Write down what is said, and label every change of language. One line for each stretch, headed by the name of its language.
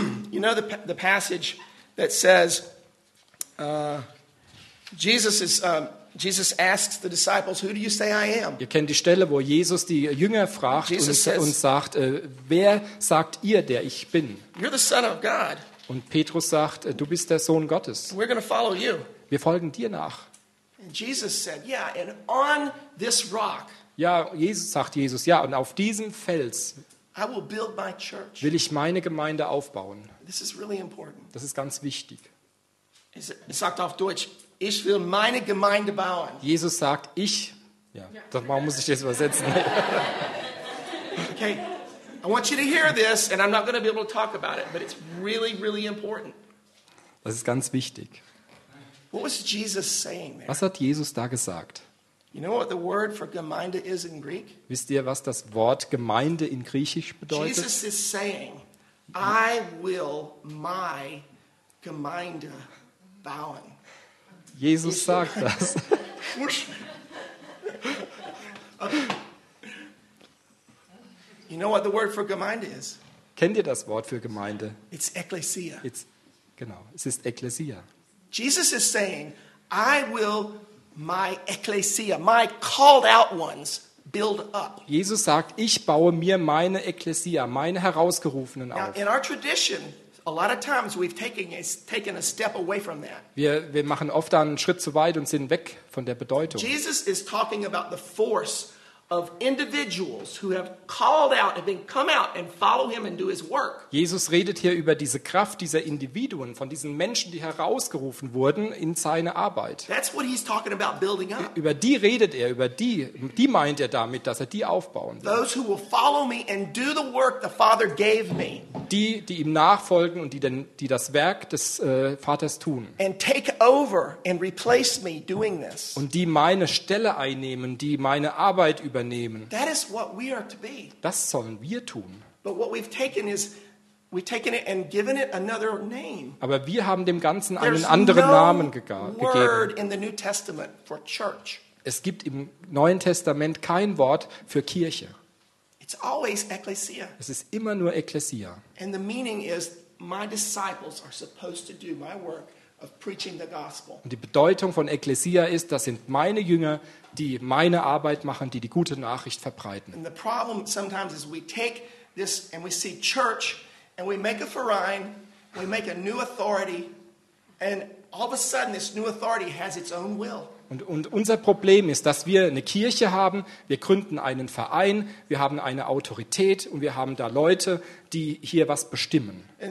English: You know the passage that says Jesus asks the disciples, "Who do you say I am?"
German: Ihr kennt die Stelle, wo Jesus die Jünger fragt und sagt, wer sagt ihr, der ich bin?
English: You're the Son of God.
German: Und Petrus sagt, du bist der Sohn Gottes.
English: We're going to follow you.
German: Wir folgen dir nach.
English: And Jesus said, "Yeah, and on this rock."
German: Ja, Jesus sagt Jesus, ja, und auf diesem Fels.
English: I will build my church.
German: Will ich meine Gemeinde aufbauen.
English: This is really important.
German: Das ist ganz wichtig. Er sagt auf Deutsch, ich will meine Gemeinde bauen. Jesus sagt, ich. Ja, ja. Warum muss ich das übersetzen?
English: Okay, I want you to hear this, and I'm not going to be able to talk about it, but it's really, really important.
German: Das ist ganz wichtig.
English: What was Jesus saying there?
German: Was hat Jesus da gesagt?
English: You know what the word for Gemeinde is in Greek?
German: Wisst ihr, was das Wort Gemeinde in Griechisch bedeutet?
English: Jesus is saying, I will my Gemeinde bauen.
German: Jesus sagt das.
English: You know what the word for Gemeinde is?
German: Kennt ihr das Wort für Gemeinde?
English: It's Ekklesia.
German: It's, genau, es ist Ekklesia.
English: Jesus is saying, I will my Ekklesia, my called out ones, build up.
German: Jesus sagt, ich baue mir meine Ekklesia, meine Herausgerufenen auf.
English: Now, in our tradition, a lot of times we've taken a step away from that.
German: Wir machen oft einen Schritt zu weit und sind weg von der Bedeutung.
English: Jesus is talking about the force of individuals who have called out and then come out and follow him and do his work.
German: Jesus redet hier über diese Kraft dieser Individuen, von diesen Menschen, die herausgerufen wurden in seine Arbeit.
English: That's what he's talking about building up.
German: Über die redet er, über die meint er damit, dass er die aufbauen will.
English: Those who will follow me and do the work the Father gave me.
German: Die ihm nachfolgen und die das Werk des Vaters tun.
English: And take over and replace me doing this.
German: Und die meine Stelle einnehmen, die meine Arbeit übernehmen.
English: That is what we are to be.
German: Das sollen wir tun.
English: But what we've taken is we've taken it and given it another name.
German: Aber wir haben dem Ganzen einen anderen Namen gegeben.
English: There's no word in the New Testament for church.
German: Es gibt im Neuen Testament kein Wort für Kirche.
English: It's always ecclesia.
German: Es ist immer nur Ekklesia.
English: And the meaning is my disciples are supposed to do my work of preaching the gospel.
German: Und die Bedeutung von Ekklesia ist, das sind meine Jünger, die meine Arbeit machen, die gute Nachricht verbreiten.
English: And the problem sometimes is we take this and we see church and we make a Verein, we make a new authority and all of a sudden this new authority has its own will.
German: Und unser Problem ist, dass wir eine Kirche haben, wir gründen einen Verein, wir haben eine Autorität und wir haben da Leute, die hier was bestimmen.